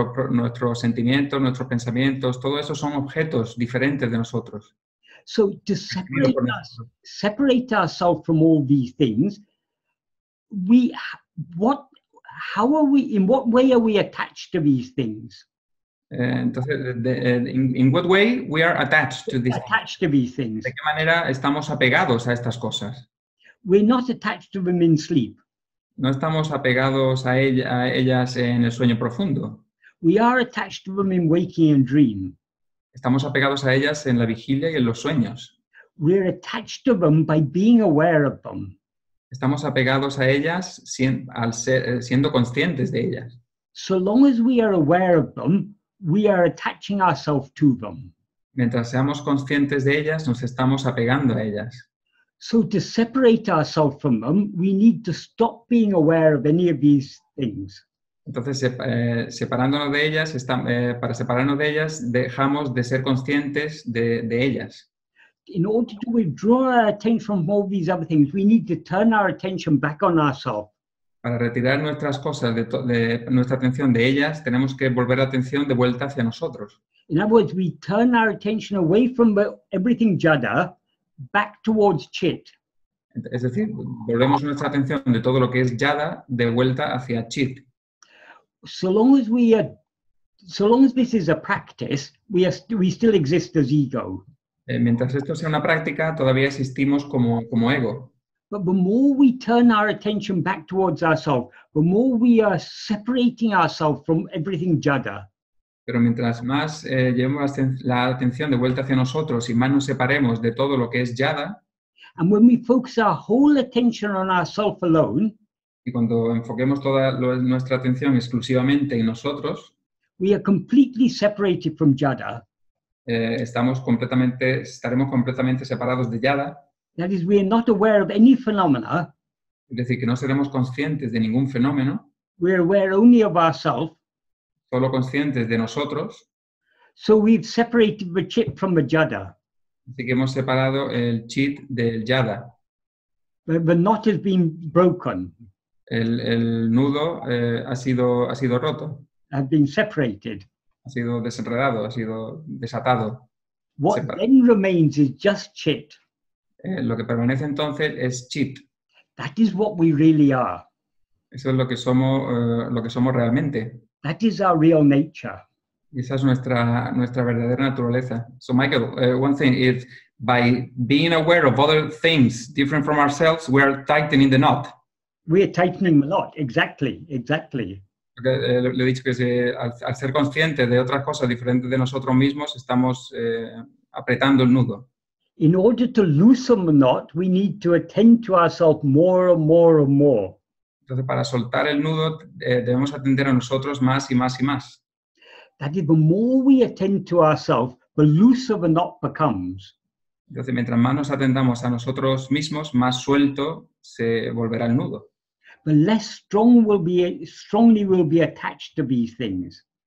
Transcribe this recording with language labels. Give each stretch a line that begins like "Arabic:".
Spanish: Nuestros sentimientos, nuestros pensamientos, todo eso son objetos diferentes de nosotros.
English: So to separate ourselves from all these things, in what way are we attached to these things? In what way we are attached to these attached things? To these things.
Spanish: ¿De qué manera estamos apegados a estas cosas?
English: We're not attached to them in sleep.
Spanish: No estamos apegados a ellas en el sueño profundo.
English: We are attached to them in waking and dream.
Spanish: Estamos apegados a ellas en la vigilia y en los sueños.
English: We are attached to them by being aware of them.
Spanish: Estamos apegados a ellas siendo conscientes de ellas.
English: So long as we are aware of them, we are attaching ourselves to them.
Spanish: Mientras seamos conscientes de ellas, nos estamos apegando a ellas.
English: So to separate ourselves from them, we need to stop being aware of any of these things.
Spanish: Entonces, separándonos de ellas, para separarnos de ellas, dejamos de ser conscientes de ellas.
English: In order to withdraw our attention from all these other things, we need to turn our attention back on ourselves.
Spanish: Para retirar nuestras cosas de nuestra atención de ellas, tenemos que volver la atención de vuelta hacia nosotros.
English: In other words, we turn our attention away from everything jada, back towards chit.
Spanish: Es decir, volvemos nuestra atención de todo lo que es jada de vuelta hacia chit.
English: So long as this is a practice, we still exist as ego.
Spanish: Mientras esto sea una práctica, todavía existimos como ego.
English: But the more we turn our attention back towards ourselves, the more we are separating ourselves from everything jada.
Spanish: Pero mientras más llevemos la atención de vuelta hacia nosotros y más nos separemos de todo lo que es jada,
English: and when we focus our whole attention on ourselves alone,
Spanish: y cuando enfoquemos toda nuestra atención exclusivamente en nosotros,
English: we are completely separated from jada.
Spanish: Estaremos completamente separados de jada.
English: That is, we are not aware of any phenomena.
Spanish: Es decir, que no seremos conscientes de ningún fenómeno.
English: We are aware only of ourselves.
Spanish: Solo conscientes de nosotros.
English: So we've separated the chit from the jada.
Spanish: Así que hemos separado el chit del jada.
English: The knot has been broken.
Spanish: El nudo ha sido roto.
English: Have been separated.
Spanish: Ha sido desenredado, ha sido desatado.
English: What then remains is just chit.
Spanish: Lo que permanece entonces es chit.
English: That is what we really are.
Spanish: Eso es lo que somos realmente.
English: That is our real nature.
Spanish: Esa es nuestra verdadera naturaleza.
English: So Michael, one thing is, by being aware of other things different from ourselves, we are tightening the knot. We are tightening the knot, exactly, exactly.
Spanish: Le he dicho que al ser consciente de otras cosas diferentes de nosotros mismos, estamos apretando el nudo.
English: In order to loosen the knot, we need to attend to ourselves more and more and more.
Spanish: Entonces, para soltar el nudo, debemos atender a nosotros más y más y más.
English: That is, the more we attend to ourselves, the looser the knot becomes.
Spanish: Entonces, mientras más nos atendamos a nosotros mismos, más suelto se volverá el nudo.
English: The less strongly will be attached to these things.